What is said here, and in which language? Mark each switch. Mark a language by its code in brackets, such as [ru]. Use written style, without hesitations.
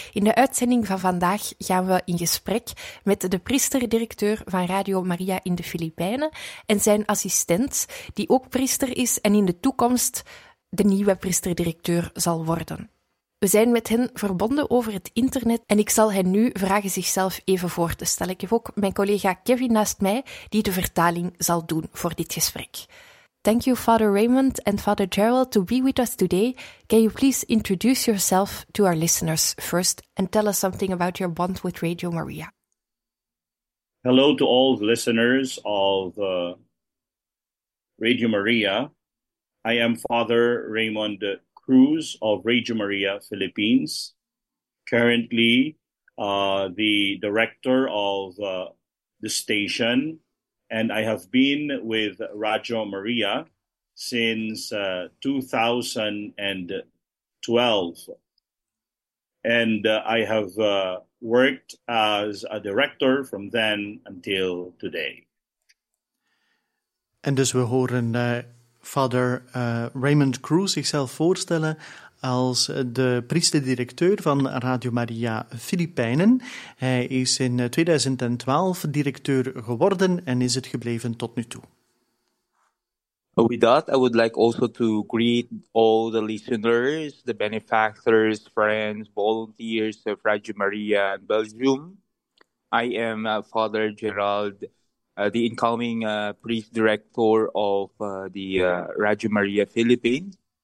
[nl] In de uitzending van vandaag gaan we in gesprek met de priester-directeur van Radio Maria in de Filipijnen en zijn assistent, die ook priester is en in de toekomst de nieuwe priester-directeur zal worden. We zijn met hen verbonden over het internet en ik zal hen nu vragen zichzelf even voor te stellen. Ik heb ook mijn collega Kevin naast mij die de vertaling zal doen voor dit gesprek. [en] Thank you, Father Raymond and Father Gerald, to be with us today. Can you please introduce yourself to our listeners first and tell us something about your bond with Radio Maria? Hello to all the listeners of Radio Maria. I am Father Raymond Cruz of Radio Maria Philippines, currently the director of the station. And I have been with Radio Maria since 2012. And I have worked as a director from then until today. [nl] En dus we horen Father Raymond Cruz zichzelf voorstellen als de priester-directeur van Radio Maria Filipijnen. Hij is in 2012 directeur geworden en is het gebleven tot nu toe. [en] With that, I would like also to greet all the listeners, the benefactors, friends, volunteers of Radio Maria in Belgium. I am Father Gerald, the incoming priest-director of the Radio Maria Philippines.